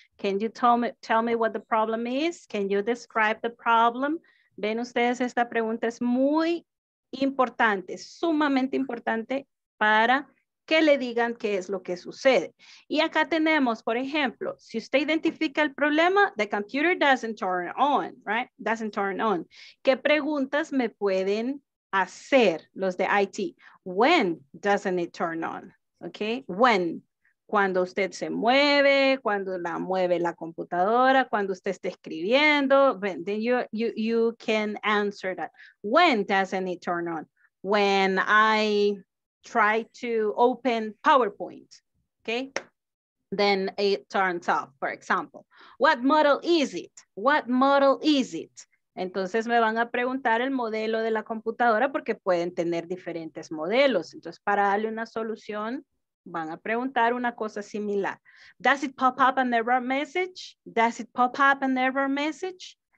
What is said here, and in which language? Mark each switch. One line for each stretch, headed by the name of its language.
English: Can you tell me what the problem is? Can you describe the problem?
Spanish: Ven ustedes, esta pregunta es muy importante, sumamente importante para que le digan qué es lo que sucede. Y acá tenemos, por ejemplo, si usted identifica el problema,
English: the computer doesn't turn on, right? Doesn't turn on.
Spanish: ¿Qué preguntas me pueden hacer los de IT?
English: When doesn't it turn on? Okay, when,
Spanish: cuando usted se mueve, cuando la mueve la computadora, cuando usted está escribiendo,
English: then you can answer that. When doesn't it turn on? When I try to open PowerPoint, okay, then it turns off, for example. What model is it? What model is it?
Spanish: Entonces me van a preguntar el modelo de la computadora porque pueden tener diferentes modelos. Entonces, para darle una solución, van a preguntar una cosa similar.
English: Does it pop up an error message? Does it pop up an error message?